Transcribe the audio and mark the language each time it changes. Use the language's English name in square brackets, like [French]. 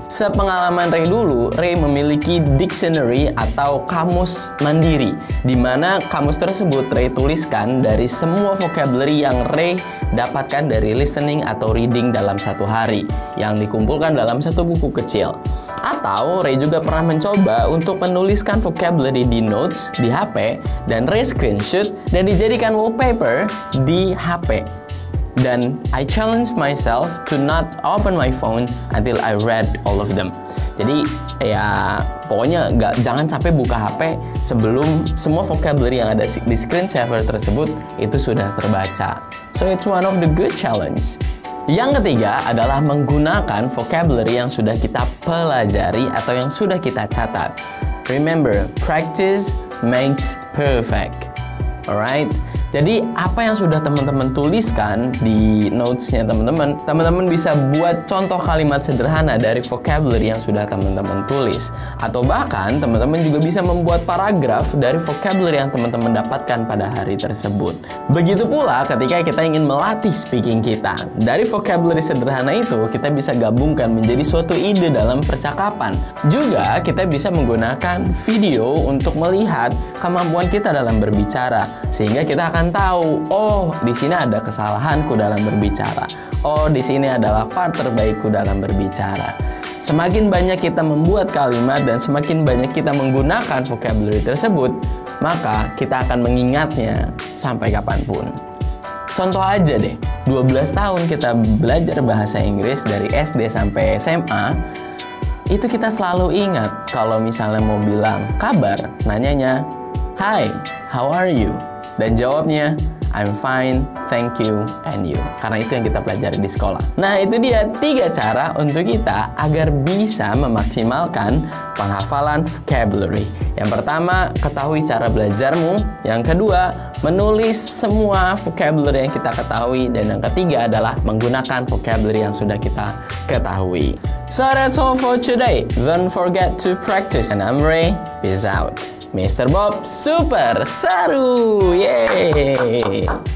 [Indonesian] Sepengalaman Ray dulu, Ray memiliki dictionary atau kamus mandiri, di mana kamus tersebut Ray tuliskan dari semua vocabulary yang Ray dapatkan dari listening atau reading dalam satu hari, yang dikumpulkan dalam satu buku kecil. Atau Ray juga pernah mencoba untuk menuliskan vocabulary di notes di HP dan Ray screenshot dan dijadikan wallpaper di HP. [English] Dan I challenge myself to not open my phone until I read all of them. [Indonesian] Jadi ya pokoknya jangan sampai buka HP sebelum semua vocabulary yang ada di screensaver tersebut itu sudah terbaca. [English] So it's one of the good challenge. [Indonesian] Yang ketiga adalah menggunakan vocabulary yang sudah kita pelajari atau yang sudah kita catat. [English] Remember, practice makes perfect. Alright? [Indonesian] Jadi apa yang sudah teman-teman tuliskan di notes-nya teman-teman, teman-teman bisa buat contoh kalimat sederhana dari vocabulary yang sudah teman-teman tulis. Atau bahkan teman-teman juga bisa membuat paragraf dari vocabulary yang teman-teman dapatkan pada hari tersebut. Begitu pula ketika kita ingin melatih speaking kita, dari vocabulary sederhana itu kita bisa gabungkan menjadi suatu ide dalam percakapan. Juga kita bisa menggunakan video untuk melihat kemampuan kita dalam berbicara, sehingga kita akan tahu, oh di sini ada kesalahanku dalam berbicara, oh di sini adalah part terbaikku dalam berbicara. Semakin banyak kita membuat kalimat dan semakin banyak kita menggunakan vocabulary tersebut, maka kita akan mengingatnya sampai kapanpun. Contoh aja deh, 12 tahun kita belajar bahasa Inggris dari SD sampai SMA, itu kita selalu ingat kalau misalnya mau bilang kabar, nanyanya, [English] "Hi, how are you?" Dan jawabnya, "I'm fine, thank you, and you." [Indonesian] Karena itu yang kita pelajari di sekolah. Nah, itu dia 3 cara untuk kita agar bisa memaksimalkan penghafalan vocabulary. Yang pertama, ketahui cara belajarmu. Yang kedua, menulis semua vocabulary yang kita ketahui. Dan yang ketiga adalah menggunakan vocabulary yang sudah kita ketahui. [English] So that's all for today. Don't forget to practice. And I'm Ray, peace out. Mr. Bob, [Indonesian] super seru! [English] Yeay!